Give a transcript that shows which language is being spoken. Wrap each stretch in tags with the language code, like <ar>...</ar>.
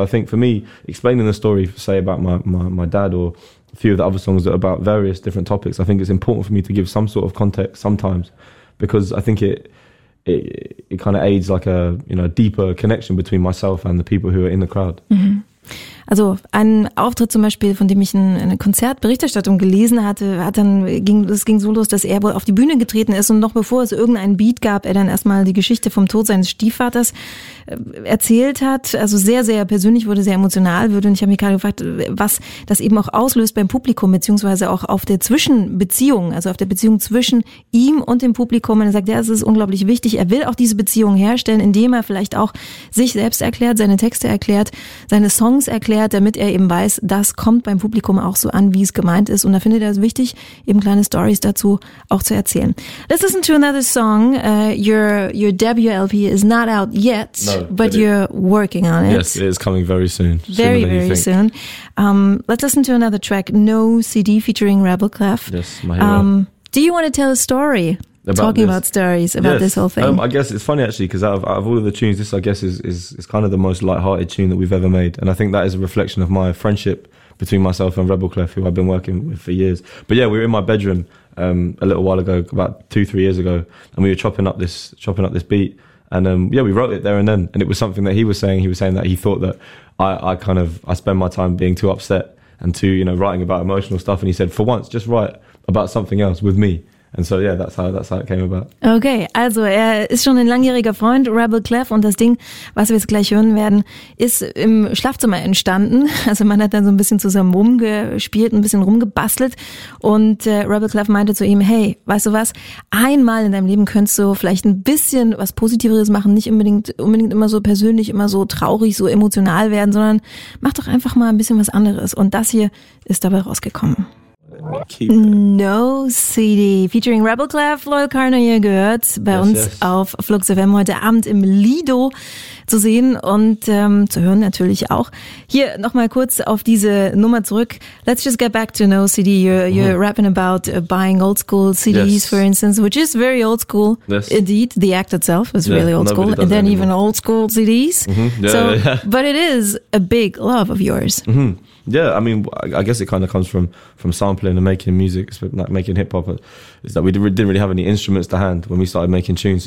<en>So I think for me, explaining the story, say, about my dad or a few of the other songs that are about various different topics, I think it's important for me to give some sort of context sometimes, because I think it kind of aids, like, a, you know, deeper connection between myself and the people who are in the crowd. Mm-hmm.</en> <de>Also ein Auftritt zum Beispiel, von dem ich eine Konzertberichterstattung gelesen hatte, ging so los, dass er wohl auf die Bühne getreten ist und noch bevor es irgendeinen Beat gab, er dann erstmal die Geschichte vom Tod seines Stiefvaters erzählt hat. Also sehr, sehr persönlich wurde, sehr emotional wurde. Und ich habe mich gerade gefragt, was das eben auch auslöst beim Publikum, beziehungsweise auch auf der Zwischenbeziehung, also auf der Beziehung zwischen ihm und dem Publikum. Und er sagt, ja, es ist unglaublich wichtig. Er will auch diese Beziehung herstellen, indem er vielleicht auch sich selbst erklärt, seine Texte erklärt, seine Songs erklärt, damit er eben weiß, das kommt beim Publikum auch so an, wie es gemeint ist. Und da findet er es wichtig, eben kleine Stories dazu auch zu erzählen.</de> <en>Let's listen to another song. Your debut LP is not out yet, but you're working on it. Yes, it's coming very soon. Very, very soon. Let's listen to another track. No CD featuring Rebel Clef. Yes, my hero. Do you want to tell a story? About this whole thing. I guess it's funny actually, because out of all of the tunes, this I guess is kind of the most lighthearted tune that we've ever made, and I think that is a reflection of my friendship between myself and Rebel Clef, who I've been working with for years. But yeah, we were in my bedroom a little while ago, about 2-3 years ago, and we were chopping up this beat, and we wrote it there and then, and it was something that he was saying that he thought that I spend my time being too upset and too, you know, writing about emotional stuff, and he said, for once, just write about something else with me. And so, yeah, that's how it came about.</en> <de>Okay, also er ist schon ein langjähriger Freund, Rebel Clef. Und das Ding, was wir jetzt gleich hören werden, ist im Schlafzimmer entstanden. Also man hat dann so ein bisschen zusammen rumgespielt, ein bisschen rumgebastelt. Und Rebel Clef meinte zu ihm, hey, weißt du was, einmal in deinem Leben könntest du vielleicht ein bisschen was Positiveres machen. Nicht unbedingt immer so persönlich, immer so traurig, so emotional werden, sondern mach doch einfach mal ein bisschen was anderes. Und das hier ist dabei rausgekommen. No CD featuring Rebel Clef, Loyal Karner, ihr gehört bei uns auf Flux FM heute Abend im Lido zu sehen und zu hören natürlich auch. Hier nochmal kurz auf diese Nummer zurück.</de> <en>Let's just get back to No CD. You're rapping about buying old school CDs, yes, for instance, which is very old school. Yes. Indeed, the act itself is really old school. And then even old school CDs. Mm-hmm. But it is a big love of yours. Mm-hmm. Yeah, I mean, I guess it kind of comes from sampling and making music, like making hip hop, is that we didn't really have any instruments to hand when we started making tunes.</en>